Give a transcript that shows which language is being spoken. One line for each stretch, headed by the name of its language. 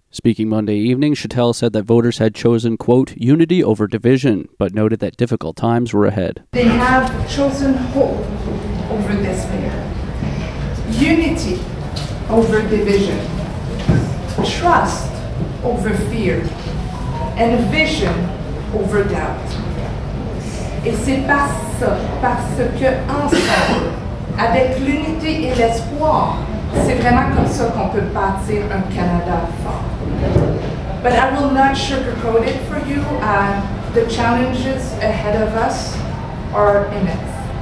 English: Speaking Monday evening, Chatelle said that voters had chosen, quote, unity over division, but noted that difficult times were ahead. They have chosen hope over despair, unity over division, trust over fear, and vision over doubt.
French: Et c'est parce que ensemble, avec l'unité et l'espoir, c'est vraiment comme ça qu'on peut bâtir un Canada fort.
English: But I will not sugarcoat it for you. The challenges ahead of us are immense.